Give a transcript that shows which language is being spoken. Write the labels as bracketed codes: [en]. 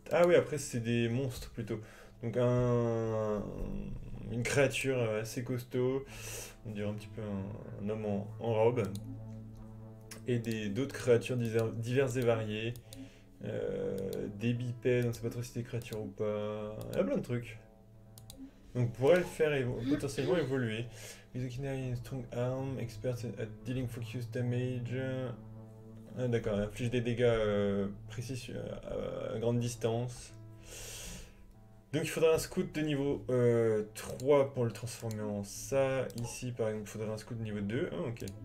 [fr] Ah oui, après c'est des monstres plutôt. Donc une créature assez costaud. On dirait un petit peu un homme en robe. Et d'autres créatures diverses et variées. Des bipèdes, on sait pas trop si c'est des créatures ou pas. Il y a plein de trucs. Donc on pourrait le faire potentiellement évoluer. [en] Mizukinai, strong arm, expert at dealing focus damage. [fr] Ah, d'accord, inflige des dégâts précis à grande distance. Donc il faudrait un scout de niveau 3 pour le transformer en ça. Ici par exemple, il faudrait un scout de niveau 2. Ah, ok.